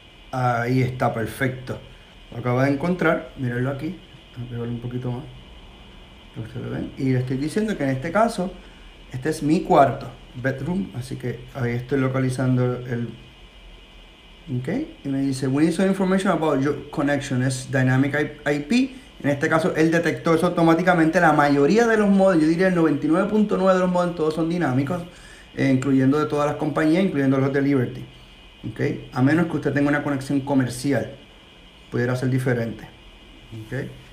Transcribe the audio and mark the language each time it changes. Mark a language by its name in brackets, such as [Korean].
[Spanish] Ahí está, perfecto. Lo acabo de encontrar. Mírenlo aquí. Voy a pegarlo un poquito más. ¿Ustedes ven? Y le estoy diciendo que en este caso, este es mi cuarto. Bedroom. Así que ahí estoy localizando el... ¿Ok? Y me dice, [English] we need some information about your connection. [Spanish] Es Dynamic IP. En este caso, él detectó eso automáticamente. La mayoría de los modos, yo diría el 99.9 de los modos, todos son dinámicos. Incluyendo de todas las compañías, incluyendo los de Liberty. Okay. A menos que usted tenga una conexión comercial, pudiera ser diferente. Okay.